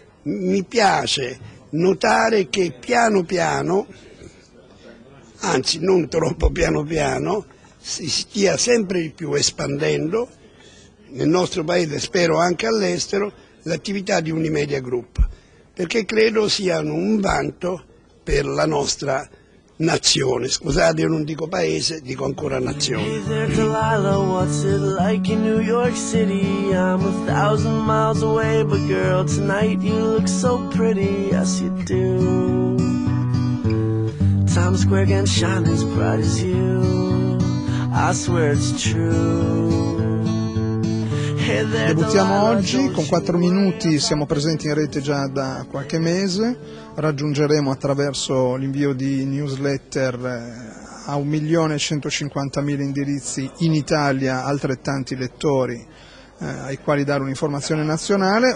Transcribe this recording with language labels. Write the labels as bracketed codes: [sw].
[it] Mi piace notare che piano piano, anzi non troppo piano piano, si stia sempre di più espandendo nel nostro Paese, spero anche all'estero, l'attività di Unimedia Group, perché credo siano un vanto per la nostra nazione. Scusate, io non dico paese, dico ancora nazione. [en] Hey there, Delilah, what's it like in New York City? I'm 1,000 miles away, but girl, tonight you look so pretty, yes you do. Times Square can shine as bright as you, I swear it's true. [it] Debuttiamo oggi con 4 minuti, siamo presenti in rete già da qualche mese, raggiungeremo attraverso l'invio di newsletter a 1.150.000 indirizzi in Italia altrettanti lettori ai quali dare un'informazione nazionale.